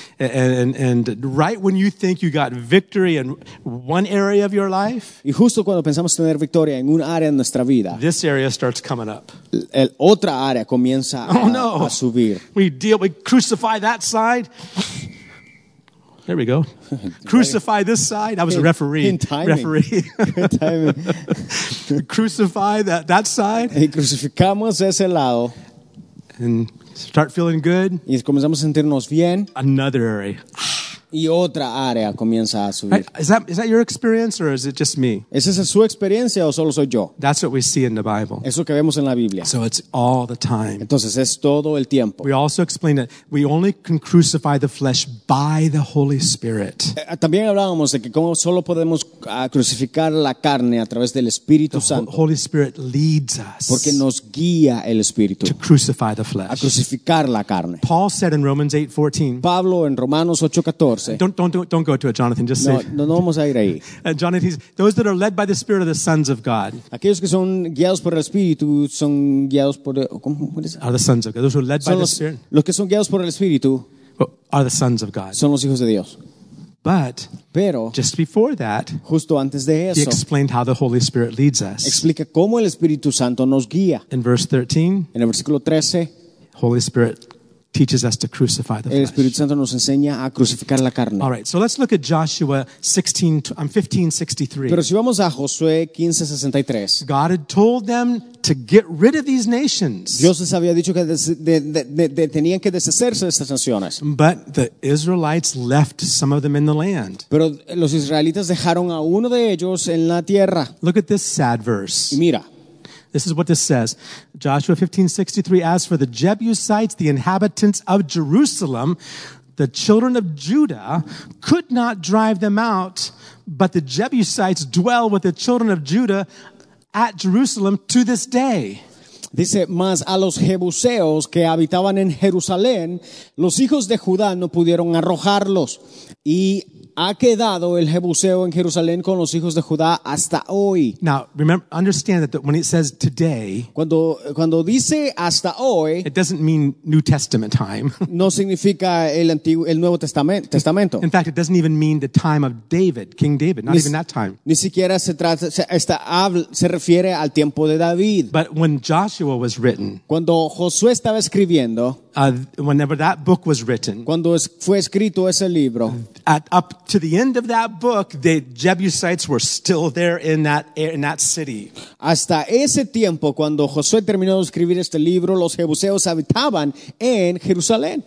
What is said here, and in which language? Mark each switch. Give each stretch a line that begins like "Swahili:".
English: And right when you think you got victory in one area of your life,
Spanish: y justo cuando pensamos tener victoria en un área de nuestra vida,
English: this area starts coming up.
Spanish: El otra área comienza a subir.
English: We crucify that side. There we go. Crucify this side. I was a referee. In timing. Referee. Good timing. Crucify that side.
Spanish: Y crucificamos ese lado.
English: And start feeling good.
Spanish: Y comenzamos a sentirnos bien.
English: Another area.
Spanish: Y otra área comienza a subir.
English: Right. Is that your experience or is it just me?
Spanish: ¿Es esa su experiencia o solo soy yo?
English: That's what we see in the Bible.
Spanish: Eso que vemos en la Biblia.
English: So it's all the time.
Spanish: Entonces es todo el tiempo.
English: We also explain that we only can crucify the flesh by the Holy Spirit.
Spanish: También hablábamos de que cómo solo podemos crucificar la carne a través del Espíritu Santo.
English: The Holy Spirit leads us.
Spanish: Porque nos guía el Espíritu.
English: To crucify the flesh.
Spanish: A crucificar la carne.
English: Paul said in Romans 8:14.
Spanish: Pablo en Romanos 8:14.
English: Don't go to it, Jonathan. Just
Spanish: no,
English: say.
Spanish: No, no vamos a ir ahí.
English: Jonathan, those that are led by the Spirit are the sons of God.
Spanish: Aquellos que son guiados por el Espíritu son guiados por.
English: Are the sons of God? Those who are led
Spanish: son
English: by
Spanish: los,
English: the Spirit.
Spanish: Los que son guiados por el Espíritu.
English: Are the sons of God.
Spanish: Son los hijos de Dios.
English: But.
Spanish: Pero.
English: Just before that.
Spanish: Justo antes de eso.
English: He explained how the Holy Spirit leads us.
Spanish: Explica cómo el Espíritu Santo nos guía.
English: In verse 13.
Spanish: En el versículo 13.
English: Holy Spirit. Teaches us to crucify the flesh.
Spanish: El Espíritu Santo nos enseña a crucificar la carne.
English: All right, so let's look at Joshua 15:63.
Spanish: Pero si vamos a Josué 15:63.
English: God had told them to get rid of these nations.
Spanish: Dios les había dicho que tenían que deshacerse de estas naciones.
English: But the Israelites left some of them in the land.
Spanish: Pero los israelitas dejaron a uno de ellos en la tierra.
English: Look at this sad verse.
Spanish: Mira.
English: This is what this says. Joshua 15:63, as for the Jebusites, the inhabitants of Jerusalem, the children of Judah could not drive them out, but the Jebusites dwell with the children of Judah at Jerusalem to this day.
Spanish: Dice, más a los jebuseos que habitaban en Jerusalén, los hijos de Judá no pudieron arrojarlos. Y ha quedado el jebuseo en Jerusalén con los hijos de Judá hasta hoy.
English: Now, remember, understand that when it says today,
Spanish: cuando dice hasta hoy,
English: it doesn't mean New Testament time.
Spanish: No significa el Nuevo Testamento.
English: In fact, it doesn't even mean the time of David, King David, not even that time.
Spanish: Ni siquiera se refiere al tiempo de David.
English: But when Joshua was written,
Spanish: cuando Josué estaba escribiendo,
English: whenever that book was written,
Spanish: cuando fue escrito ese libro,
English: up to the end of that book, the Jebusites were still there in that city.
Spanish: Hasta ese tiempo, cuando Josué terminó de escribir este libro, los jebuseos habitaban en Jerusalén.